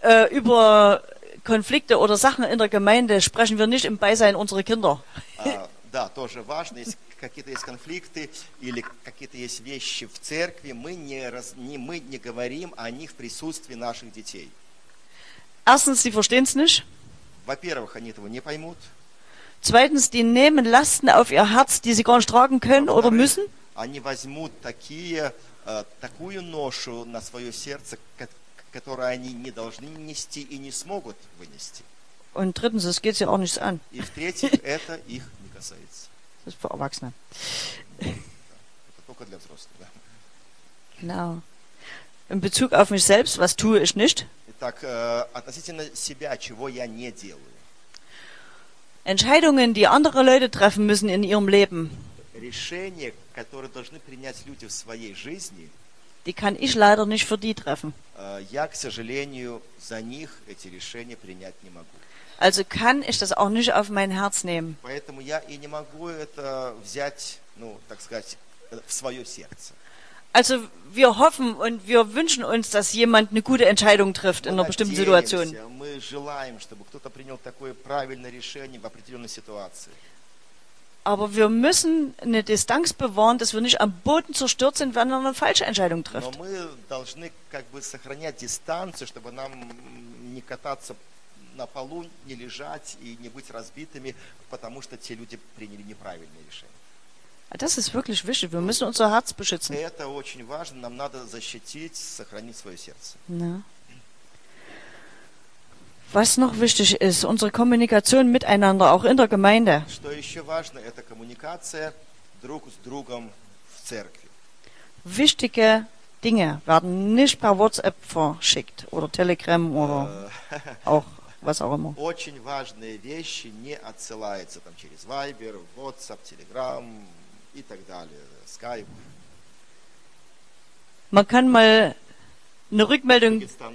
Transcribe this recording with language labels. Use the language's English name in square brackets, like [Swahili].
[German] Über Konflikte oder Sachen in der Gemeinde sprechen wir nicht im Beisein unserer Kinder. [Russian] Да, тоже важно, если какие-то есть конфликты или какие-то есть вещи в церкви, мы не говорим о них в присутствии наших детей. [German] Erstens, sie verstehen's nicht. [Russian] Во-первых, они этого не поймут. [German] Zweitens, die nehmen Lasten auf ihr Herz, die sie gar nicht tragen können oder müssen. [Russian] Они возьмут такую ношу на свое сердце, которую они не должны нести и не смогут вынести. [German] Und drittens, es geht sie auch nichts an. [Russian] И в-третьих, это их не касается. [German] Das ist für Erwachsene. [Russian] Это только для взрослых, да. [German] Genau. In Bezug auf mich selbst, was tue ich nicht? [Russian] Итак, относительно себя, чего я не делаю? [German] Entscheidungen, die andere Leute treffen müssen in ihrem Leben. [Russian] Решения, которые должны принять люди в своей жизни, [German] die kann ich leider nicht für die treffen. [Russian] Я, к сожалению, за них эти решения принять не могу. [German] Also kann ich das auch nicht auf mein Herz nehmen. [Russian] Поэтому я и не могу это взять, ну, так сказать, в свое сердце. [German] Also wir hoffen und wir wünschen uns, dass jemand eine gute Entscheidung trifft [Russian] мы [German] in einer bestimmten Situation. [Russian] Мы желаем, чтобы кто-то принял такое правильное решение в определенной ситуации. [German] Aber wir müssen eine Distanz bewahren, dass wir nicht am Boden zerstört sind, wenn man eine falsche Entscheidung trifft. [Russian] Но мы должны как бы сохранять дистанцию, чтобы нам не кататься на полу, не лежать и не быть разбитыми, потому что те люди приняли неправильное решение. [German] Das ist wirklich wichtig. Wir müssen unser Herz beschützen. [Russian] Это очень важно. Нам надо защитить, сохранить свое сердце. [German] Ja. Was noch wichtig ist, unsere Kommunikation miteinander, auch in der Gemeinde. [Russian] Что еще важно, это коммуникация друг с другом в церкви. [German] Wichtige Dinge werden nicht per WhatsApp verschickt oder Telegram oder auch was auch immer. [Russian] Очень важные вещи не отсылаются там через Viber, WhatsApp, Telegram и так далее, Skype. [German] Man kann mal eine Rückmeldung.